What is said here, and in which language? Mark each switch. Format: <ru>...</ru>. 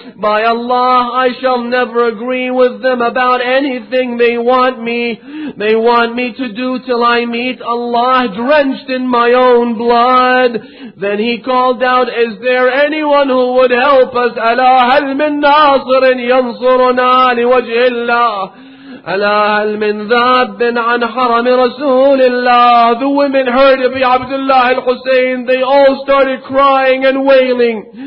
<en>By Allah, I shall never agree with them about anything they want me to do till I meet Allah drenched in my own blood. Then he called out, is there anyone who would help us?</en> <ar>Ala hal min nasirin yansuruna li wajhi Allah. ألا هل من ذاب عن حرم رسول الله.</ar> <en>The women heard of Abdullah al-Hussein. They all started crying and wailing.</en>